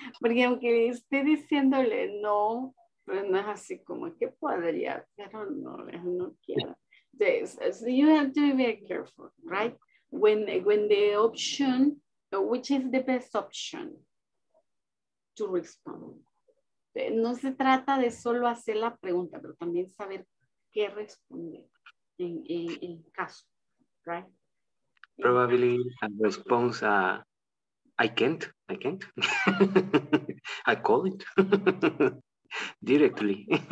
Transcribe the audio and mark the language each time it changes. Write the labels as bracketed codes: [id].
[es] Porque aunque esté diciéndole no, pues no es así como que podría, pero no, no quiero. [en] Yes. So you have to be very careful, right? When the option, which is the best option to respond. [es] No se trata de solo hacer la pregunta, pero también saber qué responder en caso. [en] Right. Probably a response, I can't. I call it directly.